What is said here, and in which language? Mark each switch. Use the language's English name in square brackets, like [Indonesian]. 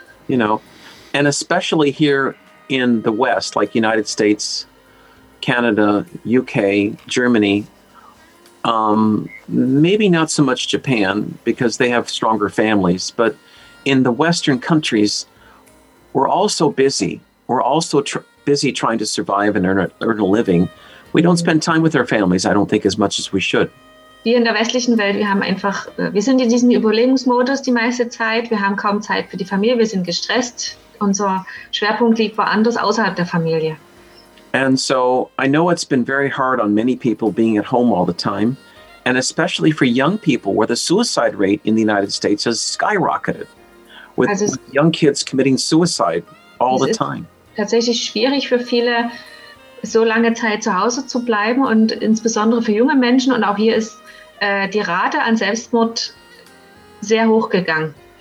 [English] You know, and especially here in the West, like United States, Canada, UK, Germany, maybe not so much Japan, because they have stronger families, but in the Western countries, we're all so busy. We're all so busy trying to survive and earn a living. We don't spend time with our families, I don't think, as much as we should. [German] Wir in der westlichen Welt, wir sind in diesem Überlebensmodus die meiste Zeit, wir haben kaum Zeit für die Familie, wir sind gestresst, unser Schwerpunkt liegt woanders außerhalb der Familie. [English] And so I know it's been very hard on many people being at home all the time, and especially for young people, where the suicide rate in the United States has skyrocketed, with young kids committing suicide all the time. [German] Es ist tatsächlich schwierig für viele, so lange Zeit zu Hause zu bleiben und insbesondere für junge Menschen. Und auch hier ist die Rate an Selbstmord sehr hoch gegangen.